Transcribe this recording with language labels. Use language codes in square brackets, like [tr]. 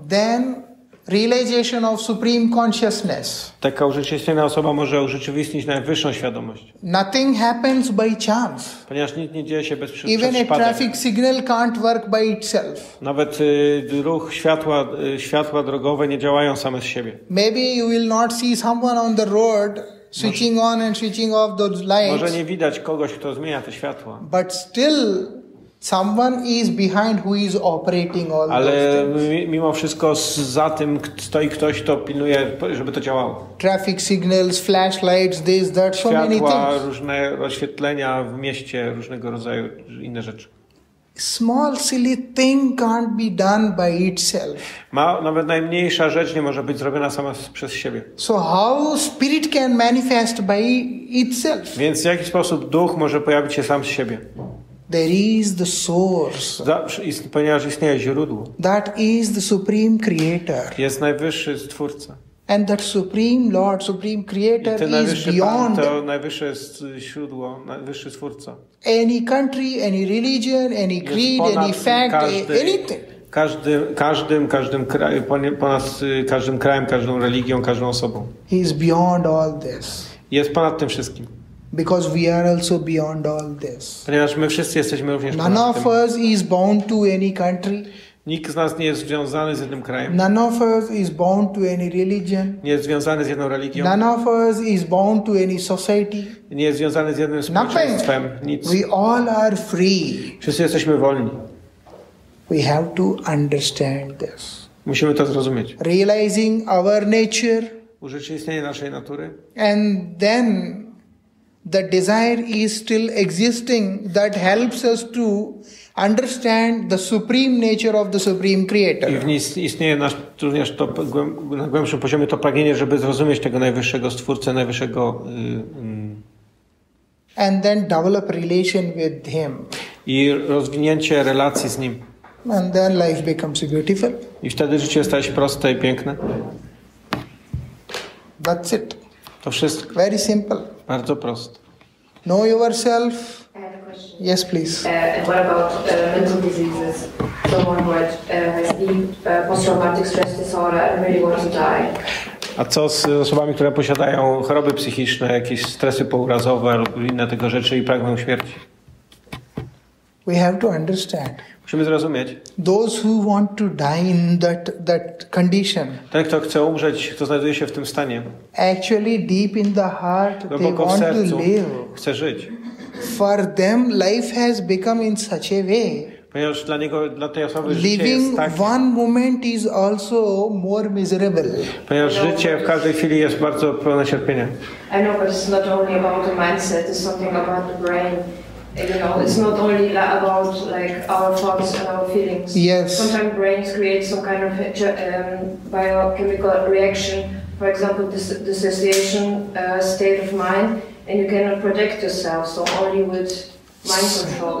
[en] Then realization of supreme consciousness. [pl] Taka urzeczywistniona osoba może urzeczywistnić najwyższą świadomość. [en] Nothing happens by chance. [pl] Ponieważ nic nie dzieje się bez przypadku. [en] Even a traffic signal can't work by itself. [pl] Nawet ruch światła drogowe nie działają same z siebie. [en] Maybe you will not see someone on the road switching on and switching off those lights. [pl] Może nie widać kogoś, kto zmienia te światła. [en] But still someone is behind who is operating all this. [pl] Ale mimo wszystko za tym stoi ktoś, kto pilnuje, żeby to działało. [en] Traffic signals, flashlights, this, that, so many things. [pl] Światła, różne oświetlenia w mieście, różnego rodzaju inne rzeczy. [en] Small silly thing can't be done by itself. [pl] Nawet najmniejsza rzecz nie może być zrobiona sama przez siebie. [en] So how spirit can manifest by itself? [pl] Więc w jaki sposób duch może pojawić się sam z siebie? [en] There is the source. [pl] Ponieważ istnieje źródło. [en] That is the supreme creator. [pl] Jest najwyższy stwórca. [en] And that supreme lord, supreme creator is beyond. [pl] To najwyższe źródło, najwyższy stwórca. [en] Any country, any religion, any creed, any fact, anything. [pl] Każdym krajem, każdym krajem, każdą religią, każdą osobą. [en] He is beyond all this. [pl] Jest ponad tym wszystkim. [en] Because we are also beyond all this. [pl] Ponieważ my wszyscy jesteśmy również poza tym. [en] None of us is bound to any country. [pl] Nikt z nas nie jest związany z jednym krajem. [en] None of us is bound to any religion. [pl] Nie jest związany z jedną religią. [en] None of us is bound to any society. [pl] Nie jest związany z jednym społeczeństwem. Nic. [en] We all are free. [pl] Wszyscy jesteśmy wolni. [en] We have to understand this. [pl] Musimy to zrozumieć. [en] Realizing our nature. [pl] Urzeczywistnienie naszej natury. [en] And then the desire is still existing that helps us to understand the supreme nature of the supreme creator. [pl] I w niej istnieje nasz, również to, na głębszym poziomie to pragnienie, żeby zrozumieć tego najwyższego stwórcę, najwyższego [en] And then develop relation with him. [pl] I rozwinięcie relacji z nim. [en] And then life becomes beautiful. [pl] I wtedy życie staje się proste i piękne. [en] That's it. [pl] To wszystko. [en] Very simple. [pl] Bardzo prosto. [en] Know yourself. I have a question. Yes, please. And what about mental diseases? Someone who has post-traumatic stress disorder and really wants to die. [pl] A co z osobami, które posiadają choroby psychiczne, jakieś stresy pourazowe lub inne tego rzeczy i pragną śmierci? [en] We have to understand. [pl] Musimy zrozumieć. [en] Those who want to die in that condition. [pl] Ten, kto chce umrzeć, kto znajduje się w tym stanie. [en] Actually, deep in the heart, they want to live. [pl] Chce żyć. [en] For them, life has become in such a way. [pl] Ponieważ dla niego, dla tej osoby życie [en] Living [pl] jest tak. [en] One moment is also more miserable. [pl] Ponieważ życie w każdej chwili jest bardzo pełne cierpienia. [en] I know, but it's not only about the mindset. It's something about the brain. You know, it's not only about our thoughts and our feelings. Yes. Sometimes brains create some kind of biochemical reaction, for example, dissociation state of mind, and you cannot protect yourself, so only with mind control.